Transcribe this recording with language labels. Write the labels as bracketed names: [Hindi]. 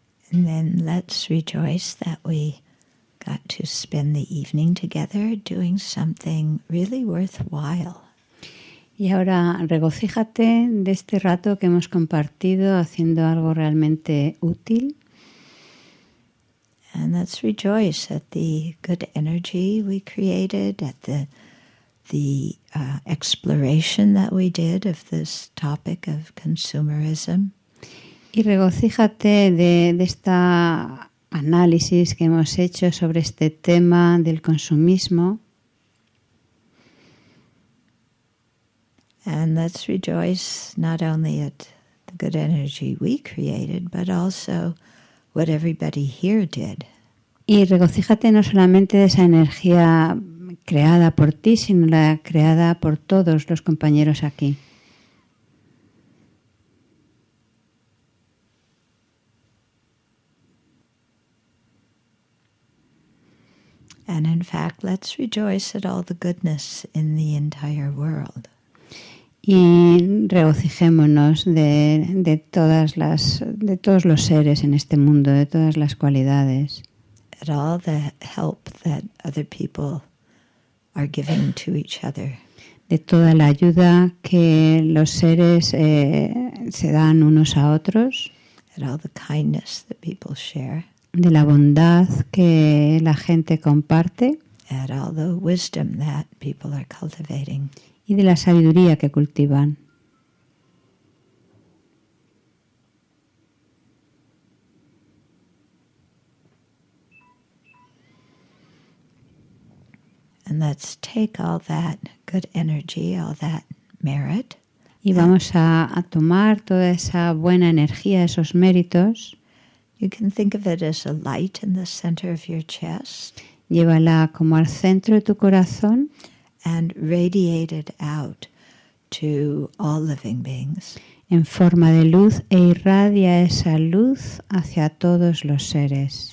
[English] And then let's rejoice that we got to spend the evening together doing something really worthwhile. [Spanish] Y ahora regocíjate de este rato que hemos compartido haciendo algo realmente útil. [English] And let's rejoice at the good energy we created, at the exploration that we did of this topic of consumerism. [Spanish] Y regocíjate de esta análisis que hemos hecho sobre este tema del consumismo. [English] And let's rejoice not only at the good energy we created, but also what everybody here did. [Spanish] Y regocíjate no solamente de esa energía creada por ti, sino la creada por todos los compañeros aquí. [English] And in fact, let's rejoice at all the goodness in the entire world. [Spanish] Y regocijémonos de todos los seres en este mundo, de todas las cualidades. [English] At all the help that other people are giving to each other. [Spanish] De toda la ayuda que los seres se dan unos a otros. [English] At all the kindness that people share. [Spanish] De la bondad que la gente comparte. [English] At all the wisdom that people are cultivating. [Spanish] Y de la sabiduría que cultivan. [English] And let's take all that good energy, all that merit. [Spanish] Y vamos a tomar toda esa buena energía, esos méritos. [English] You can think of it as a light in the center of your chest. [Spanish] Llévala como al centro de tu corazón. [English] And radiate it out to all living beings. [Spanish] En forma de luz e irradia esa luz hacia todos los seres.